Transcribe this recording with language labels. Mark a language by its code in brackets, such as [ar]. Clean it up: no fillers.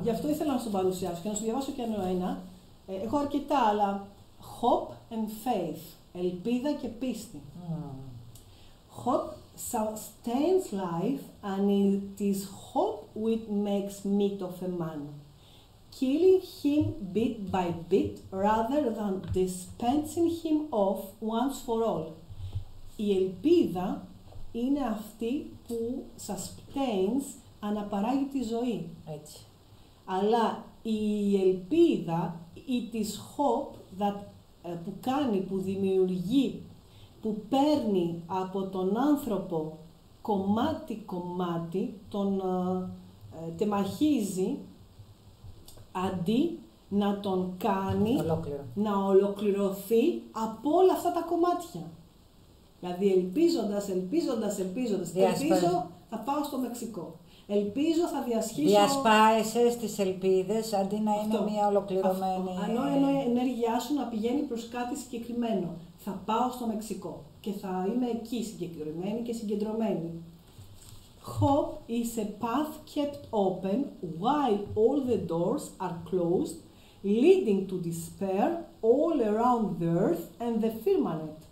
[el] Γι' αυτό ήθελα να σου παρουσιάσω και να σου διαβάσω κι άλλο ένα. Έχω αρκετά, αλλά [en] hope and faith, [el] ελπίδα και πίστη. [en] Hope sustains life and it is hope which makes meat of a man, killing him bit by bit rather than dispensing him off once for all. [el] Η ελπίδα είναι αυτή που sustains, αναπαράγει τη ζωή. Έτσι. Αλλά η ελπίδα, [en] it is hope that, [el] που κάνει, που δημιουργεί, που παίρνει από τον άνθρωπο κομμάτι-κομμάτι, τον τεμαχίζει, αντί να τον κάνει ολόκληρο, να ολοκληρωθεί από όλα αυτά τα κομμάτια. Δηλαδή ελπίζοντας, ελπίζω θα πάω στο Μεξικό. Ελπίζω θα διασχίσω... Διασπάεσαι στις ελπίδες αντί να είναι μια ολοκληρωμένη... Αυτό. Ενώ η ενέργειά σου να πηγαίνει προς κάτι συγκεκριμένο. Θα πάω στο Μεξικό και θα είμαι εκεί συγκεκριμένη και συγκεντρωμένη. [en] Hope is a path kept open while all the doors are closed, leading to despair all around the earth and the firmament.